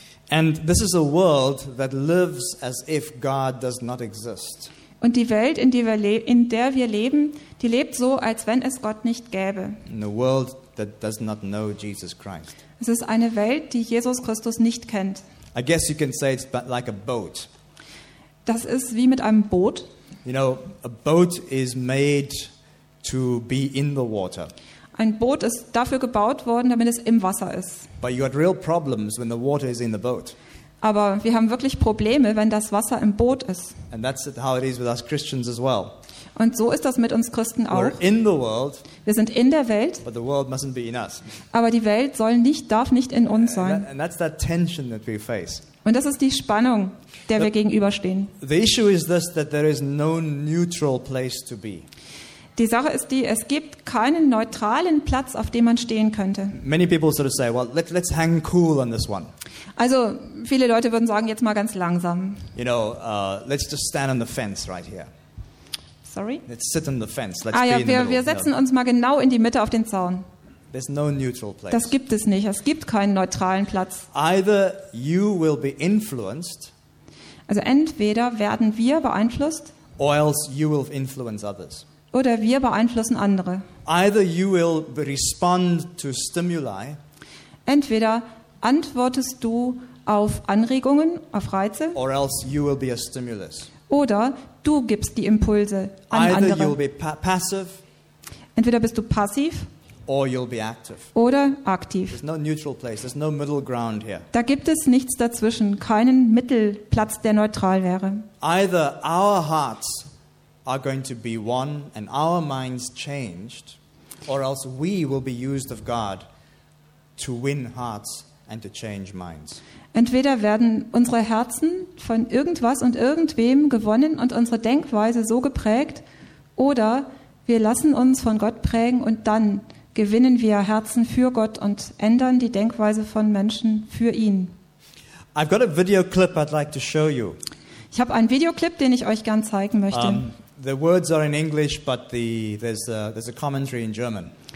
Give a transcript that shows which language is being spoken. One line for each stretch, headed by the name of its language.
English: And this is a world that lives as if God does not exist.
German: Und die Welt, in der wir leben, die lebt so, als wenn es Gott nicht gäbe.
English: In a world that does not know Jesus Christ.
German: Es ist eine Welt, die Jesus Christus nicht kennt.
English: I guess you can say it's like a boat.
German: Das ist wie mit einem Boot.
English: You know, a boat is made to be in the water.
German: Ein Boot ist dafür gebaut worden, damit es im Wasser ist.
English: But you had real problems when the water is in the boat.
German: Aber wir haben wirklich Probleme, wenn das Wasser im Boot ist.
English: And that's how it is with us Christians as well.
German: Und so ist das mit uns Christen auch.
English: We're in the world.
German: Wir sind in der Welt.
English: But the world mustn't be in us.
German: Aber die Welt darf nicht in uns sein.
English: And that's that tension that we face.
German: Und das ist die Spannung, der wir gegenüberstehen.
English: The issue is this, that there is no neutral place to be.
German: Die Sache ist die, es gibt keinen neutralen Platz, auf dem man stehen könnte.
English: Many people sort of say, well, let's hang cool on this one.
German: Also, viele Leute würden sagen, jetzt mal ganz langsam.
English: You know, let's just stand on the fence right here. Sorry? Let's sit on the fence. Let's be in the middle.
German: Wir setzen uns mal genau in die Mitte auf den Zaun.
English: There's no neutral place.
German: Das gibt es nicht. Es gibt keinen neutralen Platz.
English: Either you will be influenced.
German: Also entweder werden wir beeinflusst.
English: Or else you will influence others.
German: Oder wir beeinflussen andere.
English: Either you will respond to stimuli.
German: Entweder antwortest du auf Anregungen, auf Reize.
English: Or else you will be a stimulus.
German: Oder du gibst die Impulse an
English: Either
German: andere.
English: You'll be passive.
German: Entweder bist du passiv.
English: Or you'll be active.
German: Oder aktiv.
English: There's no neutral place. There's no middle ground here.
German: Da gibt es nichts dazwischen, keinen Mittelplatz, der neutral wäre.
English: Either our hearts are going to be one and our minds changed, or else we will be used of God to win hearts and to change minds.
German: Entweder werden unsere Herzen von irgendwas und irgendwem gewonnen und unsere Denkweise so geprägt, oder wir lassen uns von Gott prägen und dann gewinnen wir Herzen für Gott und ändern die Denkweise von Menschen für ihn.
English: I've got a video clip I'd like to show you.
German: Ich habe einen Videoclip, den ich euch gern zeigen möchte.
English: The words are in English, but there's a commentary in German.